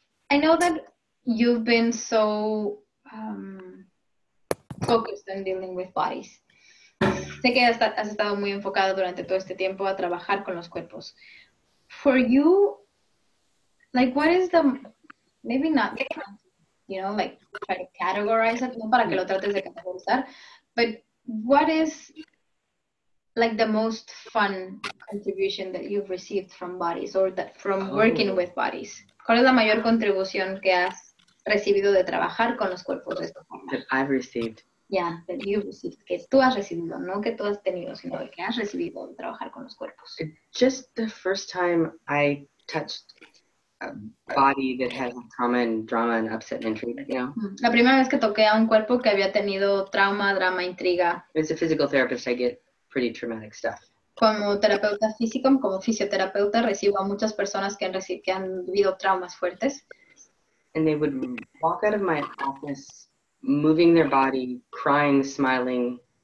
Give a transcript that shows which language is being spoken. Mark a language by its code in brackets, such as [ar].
[en] I know that you've been so focused on dealing with bodies. [es] Sé que has estado muy enfocado durante todo este tiempo a trabajar con los cuerpos. [en] For you, like, what is the, maybe not, you know, like, try to categorize it, [es] no para que lo trates de categorizar, [en] but what is, like, the most fun contribution that you've received from bodies or that from working with bodies? [es] ¿Cuál es la mayor contribución que has recibido de trabajar con los cuerpos de esta forma? [en] That I've received. Yeah, that you've received. [es] Que tú has recibido, no que tú has tenido, sino que has recibido de trabajar con los cuerpos. [en] Just the first time I touched a body that has trauma and drama and upset and intrigue, you know? [es] La primera vez que toqué a un cuerpo que había tenido trauma, drama, intriga. [en] As a physical therapist, I get pretty traumatic stuff. [es] Como terapeuta físico, como fisioterapeuta, recibo a muchas personas que han vivido traumas fuertes. [en] And they would walk out of my office, moving their body, crying, smiling.